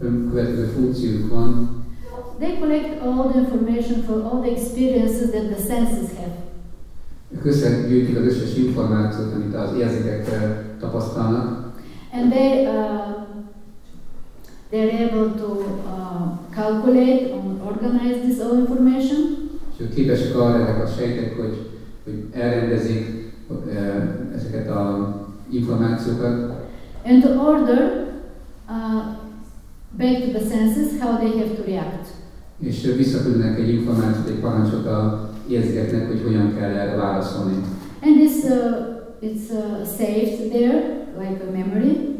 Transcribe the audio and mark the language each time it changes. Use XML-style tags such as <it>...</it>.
<hu>Következő funkciók van.</hu> <en>They collect all the information for all the experiences that the senses have.</en> <hu>Ők összegyűjtik az összes információt, amit az érzékek tapasztalnak.</hu> <en>And they are able to calculate and organize this all information.</en> <hu>És ők képesek arra, ezek a sejtek, hogy elrendezik ezeket a információkat.</hu> <en>And to order back to the senses how they have to react.</en> <hu>És visszaküldnek egy információt, egy parancsot a érzgetnek, hogy hogyan kell erre válaszolni.</hu> <en>And this it's saved there like a memory.</en>